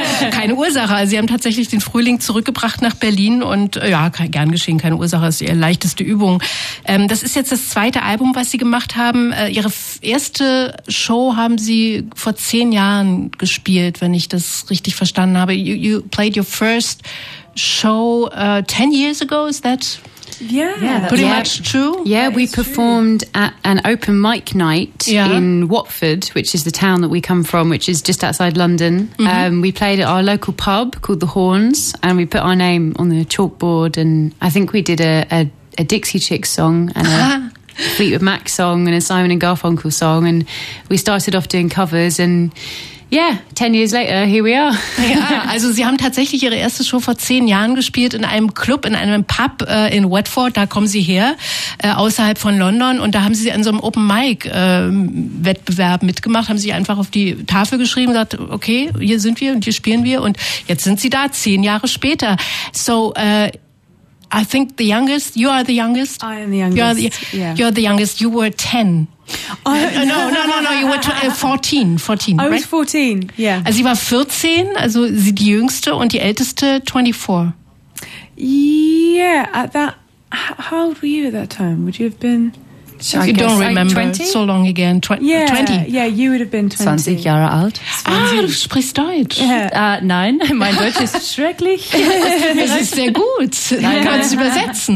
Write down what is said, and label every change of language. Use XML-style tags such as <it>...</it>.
<de>Keine Ursache, sie haben tatsächlich den Frühling zurückgebracht nach Berlin und ja, gern geschehen, keine Ursache, ist ihre leichteste Übung. Das ist jetzt das zweite Album, was sie gemacht haben. Ihre erste Show haben sie vor 10 Jahren gespielt, wenn ich das richtig verstanden habe.</de> <en>You played your first show 10 years ago, is that much true? Yeah, that we performed true. At an open mic night in Watford, which is the town that we come from, which is just outside London. Mm-hmm. We played at our local pub called The Horns, and we put our name on the chalkboard, and I think we did a Dixie Chicks song and a Fleetwood Mac song and a Simon and Garfunkel song, and we started off doing covers and... Yeah, 10 years later, here we are.</en> <de>Ja, also sie haben tatsächlich ihre erste Show vor 10 Jahren gespielt in einem Club, in einem Pub in Watford, da kommen sie her, außerhalb von London. Und da haben sie an so einem Open-Mic-Wettbewerb mitgemacht, haben sich einfach auf die Tafel geschrieben, gesagt, okay, hier sind wir und hier spielen wir. Und jetzt sind sie da, 10 Jahre später.</de> <en>So, I think the youngest, you are the youngest. I am the youngest, You're the youngest, you were 10. No, you were 14, I right? was 14, yeah.</en> <de>Also sie war 14, also sie die Jüngste und die Älteste 24.</de> <en>Yeah, at that, how old were you at that time? Would you have been... You don't remember, 20? So long again. 20. Yeah, you would have been 20.</en> <de>20 Jahre alt. 20. Ah, du sprichst Deutsch. Yeah. Nein, mein Deutsch ist schrecklich. Es ist sehr gut. Nein, du kannst übersetzen.</de>